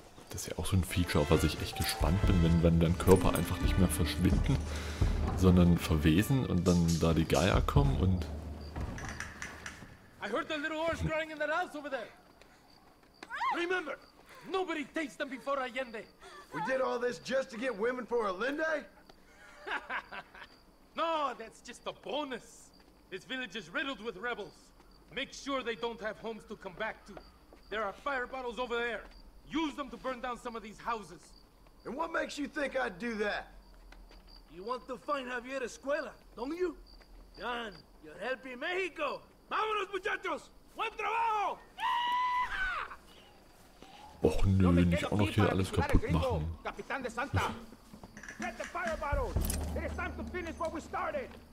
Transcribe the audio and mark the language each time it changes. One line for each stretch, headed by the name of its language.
German: Das ist ja auch so ein Feature, auf was ich echt gespannt bin, wenn dein Körper einfach nicht mehr verschwinden, sondern verwesen und dann da die Geier kommen und.
English: I heard the little horse crying in that house over there. Remember, nobody takes them before Allende. We did all this just to get women for Allende? No, that's just a bonus. This village is riddled with rebels. Make sure they don't have homes to come back to. There are fire bottles over there. Use them to burn down some of these houses. And what makes you think I'd do that? You want to find Javier Escuela, don't you? Dan, you're helping Mexico.
Spanish: Vámonos, muchachos! Buen trabajo!
German: Och nö, nicht auch noch hier alles kaputt machen.
Spanish: Capitán de Santa!
English: Get the fire bottles! It is time to finish what we started!